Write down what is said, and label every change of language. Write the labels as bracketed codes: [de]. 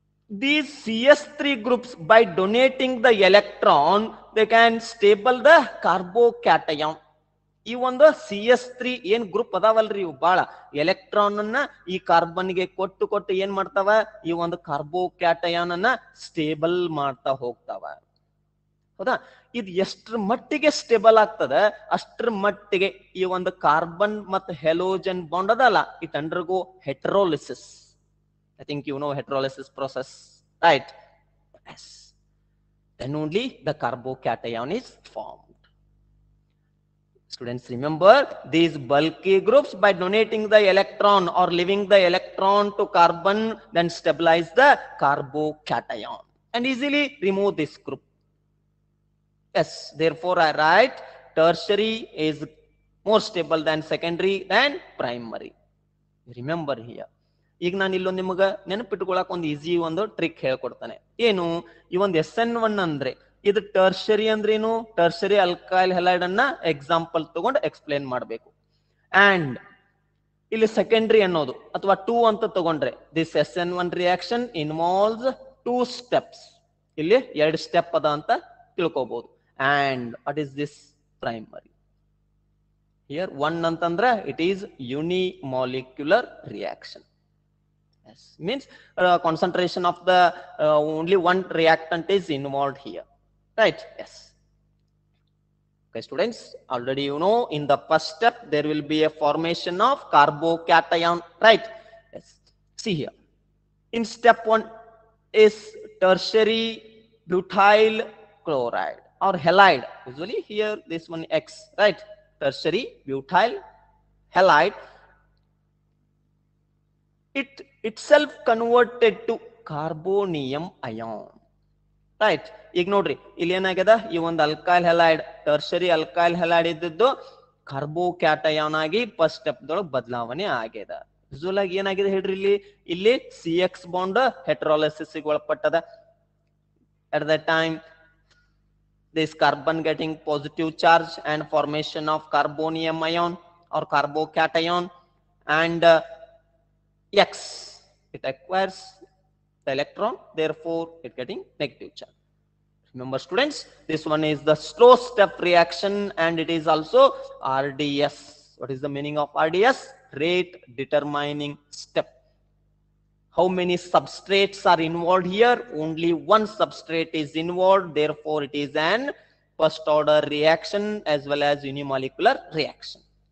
[en] these CH3 groups, by donating the electron, they can stable the carbocation. [kn] Even the CH3 ಏನ್ group ಅದಾವಲ್ರಿ ಇವು ಬಹಳ electron ಅನ್ನ ಈ carbon ಗೆ ಕೊಟ್ಟು ಕೊಟ್ಟು ಏನ್ ಮಾಡ್ತಾವ ಈ ಒಂದು ಕಾರ್ಬೋಕ್ಯಾಟಯಾನ್ ಅನ್ನ ಸ್ಟೇಬಲ್ ಮಾಡ್ತಾ ಹೋಗ್ತಾವ. ಹೌದಾ? ಇದು ಎಷ್ಟ್ರ ಮಟ್ಟಿಗೆ ಸ್ಟೇಬಲ್ ಆಗ್ತದ ಅಷ್ಟ್ರ ಮಟ್ಟಿಗೆ ಈ ಒಂದು ಕಾರ್ಬನ್ ಮತ್ತು ಹೆಲೋಜನ್ ಬಾಂಡ್ ಅದಲ್ಲ [en] It undergo heterolysis. I think you know heterolysis process, right? Yes. Then only the carbocation is form. Students, remember, these bulky groups, by donating the electron or leaving the electron to carbon, then stabilize the carbocation and easily remove this group. Yes, therefore I write tertiary is more stable than secondary than primary. Remember here. [kn] ಈಗ ನಾನು ಇಲ್ಲೊಂದು ನಿಮಗೆ ನೆನಪಿಟ್ಕೊಳಕ್ ಒಂದು easy ಒಂದು trick ಹೇಳ್ಕೊಡ್ತಾನೆ. ಏನು ಈ ಒಂದು SN1 ಅಂದ್ರೆ ಇದು ಟರ್ಷರಿ ಅಂದ್ರೇನು? ಟರ್ಷರಿ ಅಲ್ಕೈಲ್ ಹೆಲೈಡ್ ಅನ್ನ ಎಕ್ಸಾಂಪಲ್ ತಗೊಂಡು ಎಕ್ಸ್ಪ್ಲೇನ್ ಮಾಡಬೇಕು. ಅಂಡ್ ಇಲ್ಲಿ ಸೆಕೆಂಡ್ರಿ ಅನ್ನೋದು ಅಥವಾ 2 ಅಂತ ತಗೊಂಡ್ರೆ [en] This SN1 reaction involves 2 steps. [kn] ಇಲ್ಲಿ 2 ಸ್ಟೆಪ್ ಅದ ಅಂತ ತಿಳ್ಕೋಬಹುದು. [en] And what is this primary? Here 1 ಅಂತಂದ್ರೆ it is unimolecular reaction. Yes, means concentration of the only 1 reactant is involve here, right? Yes. Okay, students, already you know in the first step there will be a formation of carbocation, right? Yes. See here, in step 1 is tertiary butyl chloride or halide. Usually here this one X, right? Tertiary butyl halide, it itself converted to carbonium ion. Right? [kn] ಈಗ ನೋಡ್ರಿ ಇಲ್ಲಿ ಏನಾಗ್ಯದ, ಈ ಒಂದು alkyl halide tertiary alkyl halide ಇದ್ದಿದ್ದು carbocation ಆಗಿ first step ದೊಳಗೆ ಬದಲಾವಣೆ ಆಗ್ಯದ. ವಿಜುವಲ್ ಆಗಿ ಏನಾಗಿದೆ ಹೇಳ್ರಿ, ಇಲ್ಲಿ ಇಲ್ಲಿ CX bond ಹೆಟ್ರೋಲಿಸಿಸ್ ಒಳಪಟ್ಟದ. [en] At the time this carbon getting positive charge and formation of carbonium ion or carbocation and X it acquires the electron, therefore it getting negative charge. Remember students, this one is the slow step reaction and it is also RDS. What is the meaning of RDS? Rate determining step. How many substrates are involved here? Only one substrate is involved, therefore it is an first order reaction as well as unimolecular reaction.